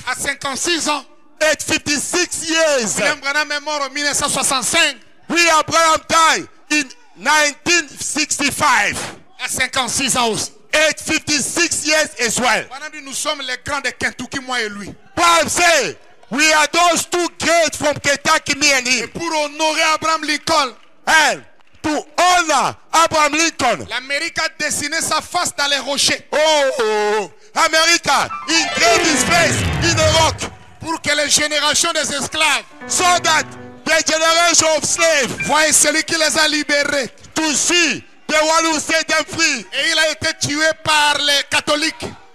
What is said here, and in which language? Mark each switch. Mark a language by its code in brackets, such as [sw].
[fr] À 56 ans. [en] At 56 years. [fr] William Branham est mort en 1965. [en] William Branham died in 1965. [fr] À 56 ans aussi. [en] At 56 years as well. [fr] Branham dit, nous sommes les grands de Kentucky, moi et lui. [en] Branham said, we are those two great from Kentucky, me and him. [fr] Et pour honorer Abraham Lincoln. [en] And to honor Abraham Lincoln. [fr] L'Amérique a dessiné sa face dans les rochers. [en] Oh, America engraved his face in the rock. [fr] Pour que les générations des esclaves. [en] So that the generation of slaves. [fr] Voient celui qui les a libérés. [en] To see the one who set them free. [fr] Et il a été tué par les catholiques.